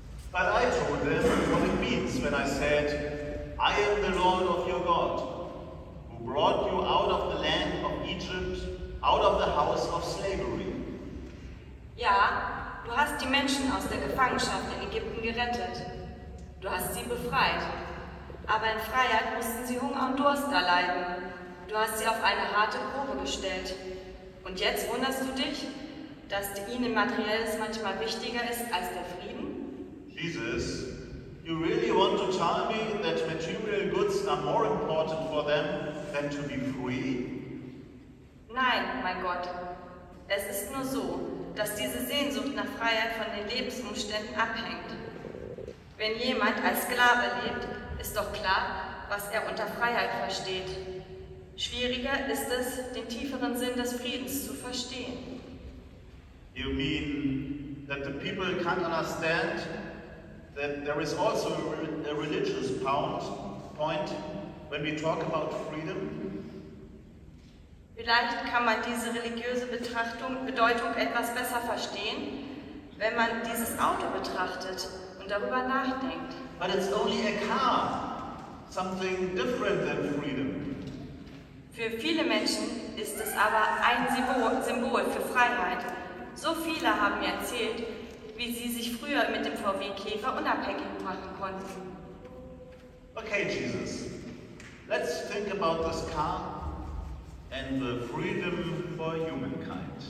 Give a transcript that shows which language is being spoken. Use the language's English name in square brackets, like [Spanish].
[English] But I told them what it means when I said, I am the Lord of your God, who brought you out of the land of Egypt, out of the house of slavery. [German] Ja, du hast die Menschen aus der Gefangenschaft in Ägypten gerettet. Du hast sie befreit. Aber in Freiheit mussten sie Hunger und Durst erleiden. Du hast sie auf eine harte Probe gestellt. Und jetzt wunderst du dich, dass ihnen Materielles manchmal wichtiger ist als der Frieden? [English] Jesus, you really want to tell me that material goods are more important for them than to be free? [German] Nein, mein Gott. Es ist nur so, dass diese Sehnsucht nach Freiheit von den Lebensumständen abhängt. Wenn jemand als Sklave lebt, ist doch klar, was er unter Freiheit versteht. Schwieriger ist es, den tieferen Sinn des Friedens zu verstehen. [English] You mean that the people can't understand that there is also a religious point when we talk about freedom? [German] Vielleicht kann man diese religiöse Bedeutung etwas besser verstehen, wenn man dieses Auto betrachtet und darüber nachdenkt. [English] But it's only a car, something different than freedom. [German] Für viele Menschen ist es aber ein Symbol für Freiheit. So viele haben mir erzählt, wie sie sich früher mit dem VW-Käfer unabhängig machen konnten. [English] Okay, Jesus, let's think about this car and the freedom for humankind.